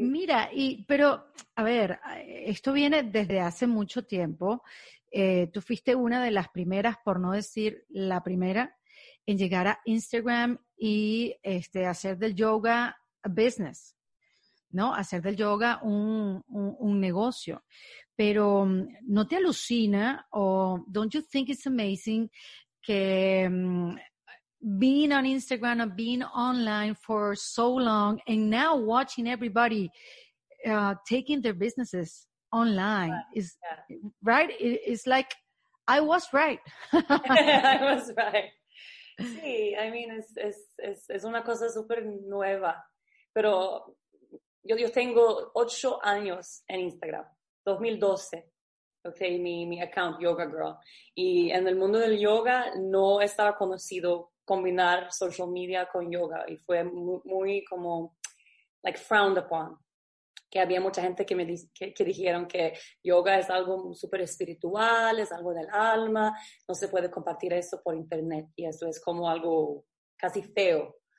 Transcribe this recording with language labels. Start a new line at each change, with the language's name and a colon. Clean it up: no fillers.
Spanish: Mira, pero a ver, esto viene desde hace mucho tiempo. Tú fuiste una de las primeras, por no decir la primera, en llegar a Instagram y hacer del yoga
English: a business,
Spanish: ¿no? Hacer del yoga un negocio. Pero ¿no te alucina o
English: don't you think it's amazing que being on Instagram and being online for so long and now watching everybody taking their businesses online is yeah. Right? It's like, I was right. I was right.
Spanish: Sí,
English: I mean,
Spanish: es una cosa súper nueva. Pero yo tengo 8 años en Instagram. 2012. Okay, mi account, Yoga Girl. Y en el mundo del yoga no estaba conocido combinar social media con yoga y fue muy como
English: like frowned upon,
Spanish: que había mucha gente que dijeron que yoga es algo súper espiritual, es algo del alma, no se puede compartir eso por internet y eso es como algo casi feo.